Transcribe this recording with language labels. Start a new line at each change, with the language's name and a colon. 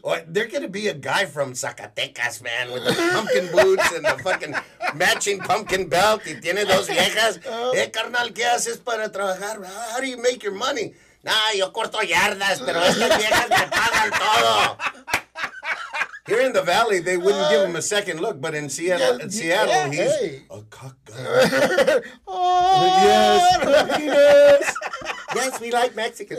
English: Or they're going to be a guy from Zacatecas, man, with the pumpkin boots and the fucking matching pumpkin belt.
Spanish: Y tiene dos viejas. Hey, carnal, ¿qué haces para trabajar?
English: How do you make your money? Nah,
Spanish: yo corto yardas, pero estas viejas me pagan todo.
English: Here in the valley, they wouldn't give him a second look, but in Seattle, he's a cock guy. Yes, yes. Yes, we like Mexicans.